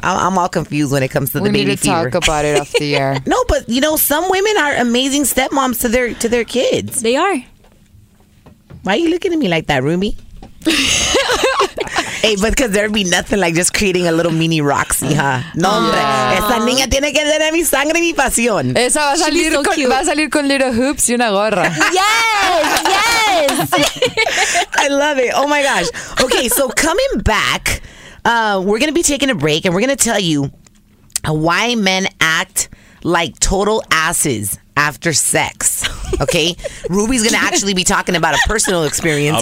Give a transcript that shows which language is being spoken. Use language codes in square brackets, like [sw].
[en] I'm all confused when it comes to the baby fever. We need to talk about it off the air. No, but you know, some women are amazing stepmoms to their kids. They are. Why are you looking at me like that, Rumi? Hey, but because there'd be nothing like just creating a little mini Roxy, huh? [es] No, hombre. Esa niña tiene que tener mi sangre y mi pasión. Esa va a salir, va a salir con [en] little hoops [es] y una gorra. [en] Yes! Yes! I love it. Oh, my gosh. Okay, so coming back, we're going to be taking a break, and we're going to tell you why men act like total asses after sex. Okay? Ruby's going to actually be talking about a personal experience